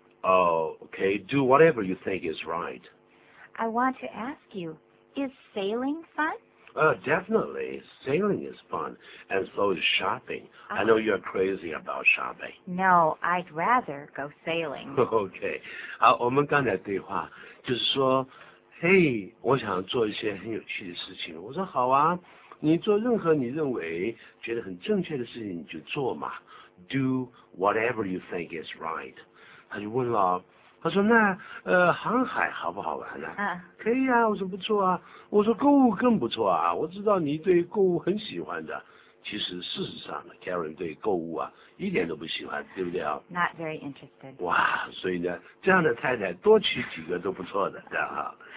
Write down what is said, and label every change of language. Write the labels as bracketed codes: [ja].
[en] Oh, okay, do whatever you think is right. I want to ask you, is sailing fun? Definitely. Sailing is fun, and so is shopping. I know you're crazy about shopping. No, I'd rather go sailing. Okay. [zh] 好，我们刚才对话就是说，嘿，我想做一些很有趣的事情。我说好啊，你做任何你认为觉得很正确的事情你就做嘛。 [en] Do whatever you think is right. [zh] 他就问了。他说那航海好不好玩呢、可以啊，我说不错啊。我说购物更不错啊，我知道你对购物很喜欢的。其实事实上 Karen 对购物啊一点都不喜欢，对不对啊？ [en] Not very interested. [zh] 哇，所以呢这样的太太多娶几个都不错的，这样啊。